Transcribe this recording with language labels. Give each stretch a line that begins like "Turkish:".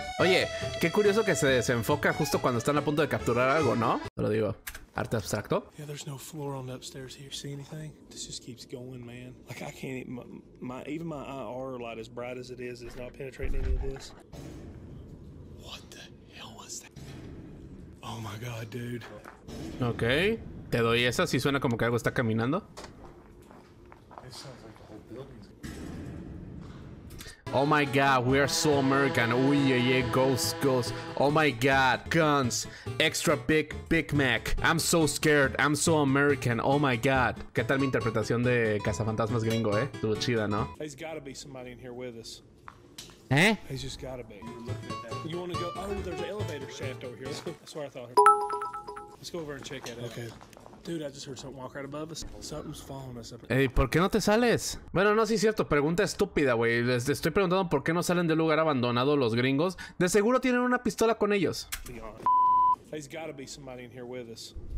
Spanish: Oye, qué curioso que se desenfoca justo cuando están a punto de capturar algo, ¿no? Te lo digo. Arte abstracto.
English: Yeah, there's no floor on the upstairs here. See anything? This just keeps going, man. Like I can't even my IR light, as bright as it is, it's not penetrating any of this. What the hell was that? Oh my god, dude.
Spanish: Ok, te doy esa, si suena como que algo está caminando.
English: Oh my god, we are so American. Uy, yeah, yeah, ghost. Oh my god, guns. Extra big, Big Mac. I'm so scared, I'm so American. Oh my god.
Spanish: ¿Qué tal mi interpretación de cazafantasmas gringo, eh? Estuvo chida, ¿no?
English: There's gotta be somebody in here with us. ¿Eh? There's just gotta be. You wanna go? Oh, there's an elevator shaft over here. That's where I thought. Let's go over and check it out. Okay. Dude, I just heard something walk right above us. Something's following us up.
Spanish: Ey, ¿por qué no te sales? Bueno, no, sí es cierto. Pregunta estúpida, güey. Les estoy preguntando por qué no salen del lugar abandonado los gringos. De seguro tienen una pistola con ellos.
English: There's gotta be somebody in here with us.